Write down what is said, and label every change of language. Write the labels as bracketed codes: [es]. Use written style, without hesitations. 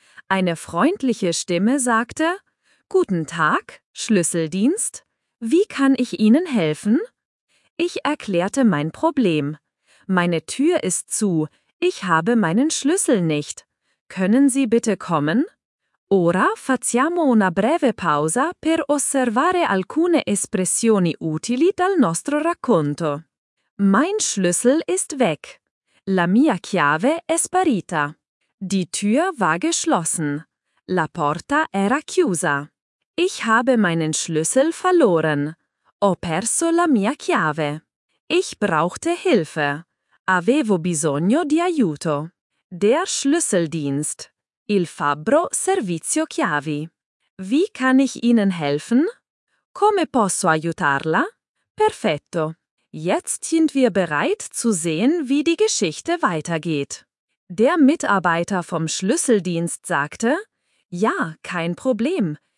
[de] Eine freundliche Stimme sagte: Guten Tag, Schlüsseldienst. Wie kann ich Ihnen helfen? Ich erklärte mein Problem. Meine Tür ist zu. Ich habe meinen Schlüssel nicht. Können Sie bitte kommen? [it] Ora facciamo una breve pausa per osservare alcune espressioni utili dal nostro racconto. [de] Mein Schlüssel ist weg. [it] La mia chiave è sparita. [de] Die Tür war geschlossen. [it] La porta era chiusa. [de] Ich habe meinen Schlüssel verloren. [it] Ho perso la mia chiave. [de] Ich brauchte Hilfe. [it] Avevo bisogno di aiuto. [de] Der Schlüsseldienst. [it] Il fabbro servizio chiavi. [de] Wie kann ich Ihnen helfen? [it] Come posso aiutarla? Perfetto. [de] Jetzt sind wir bereit zu sehen, wie die Geschichte weitergeht. Der Mitarbeiter vom Schlüsseldienst sagte: Ja, kein Problem.